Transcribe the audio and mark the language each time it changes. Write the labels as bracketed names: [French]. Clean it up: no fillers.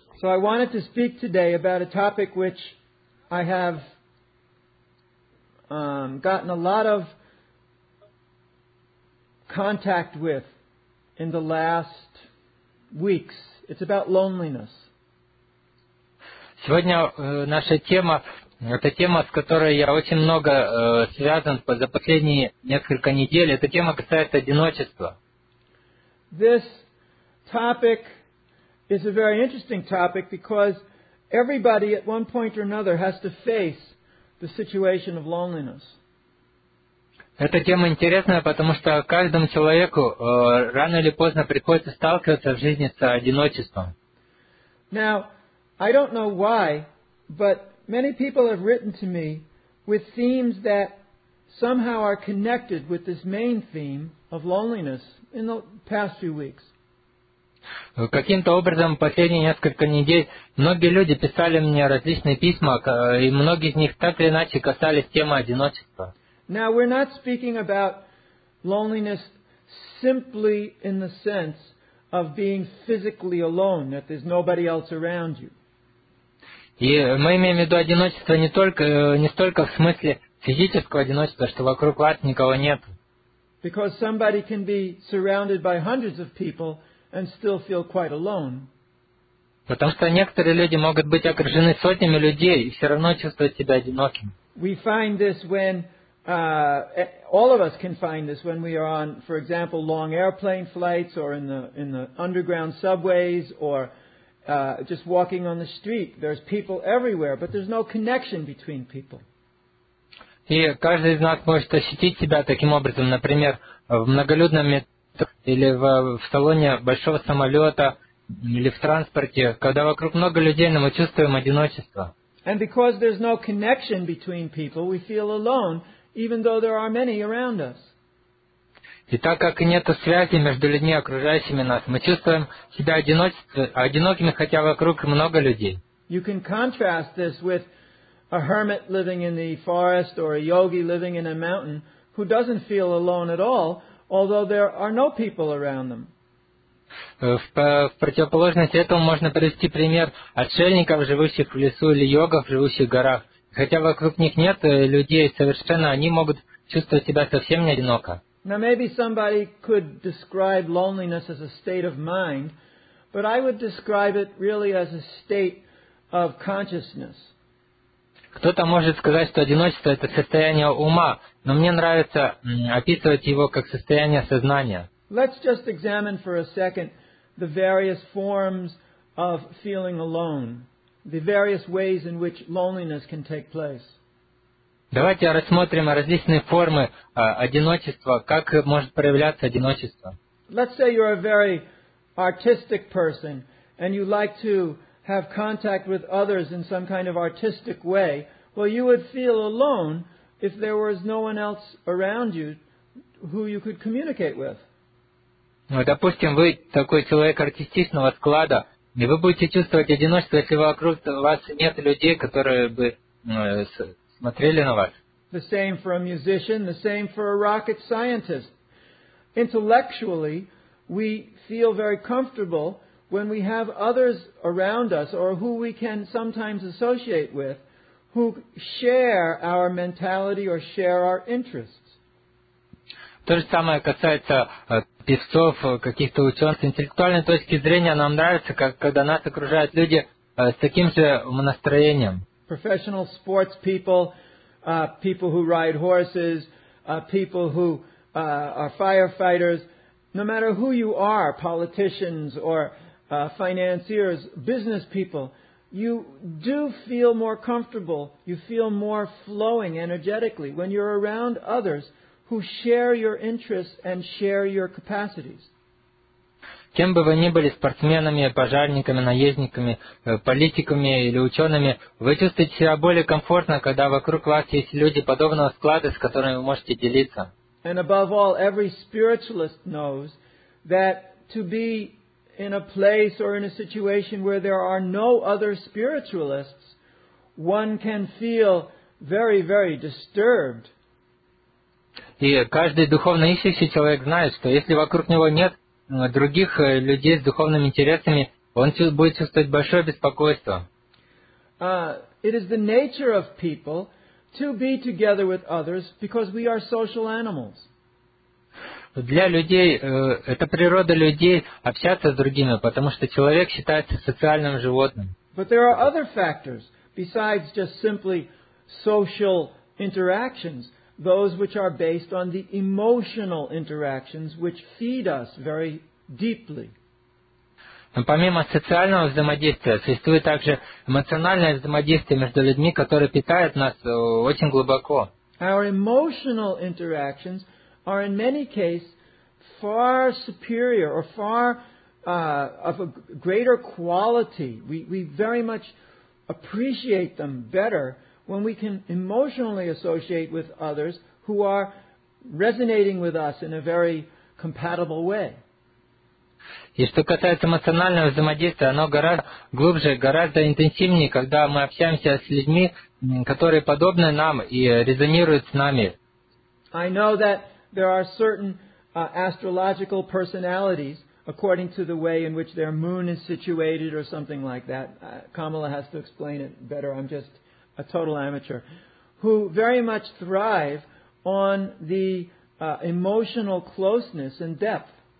[English] So I wanted to speak today about a topic which I have gotten a lot of contact with in the last weeks. It's about loneliness. [Russian] Сегодня наша тема, это тема, с которой я очень много связан за последние несколько недель. Эта тема касается одиночества. [English] This topic is a very interesting topic because everybody at one point or another has to face the situation of loneliness. [Russian] Эта тема интересная, потому что каждому человеку рано или поздно приходится сталкиваться в жизни с одиночеством. [English] Now, I don't know why, but many people have written to me with themes that somehow are connected with this main theme of loneliness in the past few weeks. [Russian] Каким-то образом последние несколько недель многие люди писали мне различные письма, и многие из них так или иначе касались темы одиночества. [English] Now we're not speaking about loneliness simply in the sense of being physically alone, that there's nobody else around you. [Russian] И мы имеем в виду одиночество не столько в смысле физического одиночества, что вокруг вас никого нет. [English] Because somebody can be surrounded by hundreds of people and still feel quite alone. [Russian] Потому что некоторые люди могут быть окружены сотнями людей и все равно чувствовать себя одиноким. [English] We find this when all of us can find this when we are on, for example, long airplane flights or in the underground subways or just walking on the street. There's people everywhere, but there's no connection between people. [Russian] И каждый из нас может ощутить себя таким образом, например, в многолюдном метро или в салоне большого самолета или в транспорте, когда вокруг много людей, но мы чувствуем одиночество. [English] And because there's no connection between people, we feel alone, even though there are many around us. [Russian] И так как нет связи между людьми, окружающими нас, мы чувствуем себя одинокими, хотя вокруг много людей. [English] You can contrast this with a hermit living in the forest or a yogi living in a mountain who doesn't feel alone at all, although there are no people around them. [Russian] В противоположность этому можно привести пример отшельников, живущих в лесу, или йогов, живущих в горах. Хотя вокруг них нет людей совершенно, они могут чувствовать себя совсем не одиноко. [English] Now maybe somebody could describe loneliness as a state of mind, but I would describe it really as a state of consciousness. [Russian] Кто-то может сказать, что одиночество это состояние ума, но мне нравится описывать его как состояние сознания. [English] Let's just examine for a second the various forms of feeling alone, the various ways in which loneliness can take place. [Russian] Давайте рассмотрим различные формы одиночества, как может проявляться одиночество. [English] Let's say you're a very artistic person and you like to have contact with others in some kind of artistic way. Well, you would feel alone if there was no one else around you who you could communicate with. [Russian] Ну, допустим, вы такой человек артистичного склада, и вы будете чувствовать одиночество, если вокруг вас нет людей, которые бы смотрели на вас. [English] The same for a musician, the same for a rocket scientist. Intellectually, we feel very comfortable when we have others around us or who we can sometimes associate with who share our mentality or share our interests. [Russian] То же самое касается певцов, каких-то ученых. С интеллектуальной точки зрения нам нравится, когда нас окружают люди с таким же настроением. [English] Professional sports people, people who ride horses, people who are firefighters, no matter who you are, politicians or financiers, business people, you do feel more comfortable, you feel more flowing energetically when you're around others who share your interests and share your capacities. [Russian] Кем бы вы ни были, спортсменами, пожарниками, наездниками, политиками или учеными, вы чувствуете себя более комфортно, когда вокруг вас есть люди подобного склада, с которыми вы можете делиться. [English] And above all, every spiritualist knows that to be in a place or in a situation where there are no other spiritualists, one can feel very, very disturbed. [Russian] И каждый духовно ищущий человек знает, что если вокруг него нет других людей с духовными интересами, он будет чувствовать большое беспокойство. [English] It is the nature of people to be together with others because we are social animals. [Russian] Для людей, это природа людей общаться с другими, потому что человек считается социальным животным. [English] But there are other factors besides just simply social interactions, those which are based on the emotional interactions which feed us very deeply. [Russian] Но помимо социального взаимодействия, существует также эмоциональное взаимодействие между людьми, которое питает нас очень глубоко. [English] Our emotional interactions are in many cases far superior or far of a greater quality. We very much appreciate them better when we can emotionally associate with others who are resonating with us in a very compatible way. [Russian] И что касается эмоционального взаимодействия, оно гораздо глубже, гораздо интенсивнее, когда мы общаемся с людьми, которые подобны нам и резонируют с нами. [English] I know that there are certain astrological personalities, according to the way in which their moon is situated or something like that. Kamala has to explain it better. I'm just a total amateur. Who very much thrive on the emotional closeness and depth.